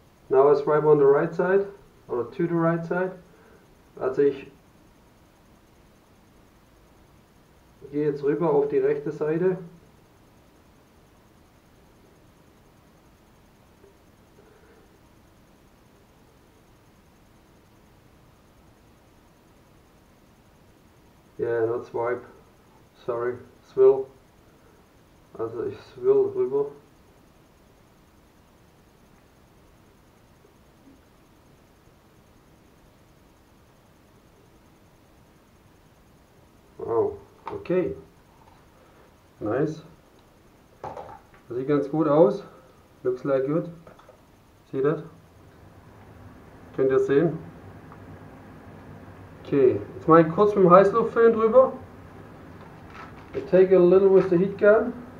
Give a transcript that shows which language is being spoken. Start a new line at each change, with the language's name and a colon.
English: Now I swipe on the right side, or to the right side.
German: Also ich gehe jetzt rüber auf die rechte Seite.
English: Yeah, not swipe. Sorry, swill.
German: Also ich swill rüber.
English: Wow, okay. Nice.
German: Das sieht ganz gut aus.
English: Looks like good. See that?
German: Könnt ihr sehen? Okay, jetzt mache ich kurz mit dem Heißluftföhn drüber.
English: I take a little with the heat gun.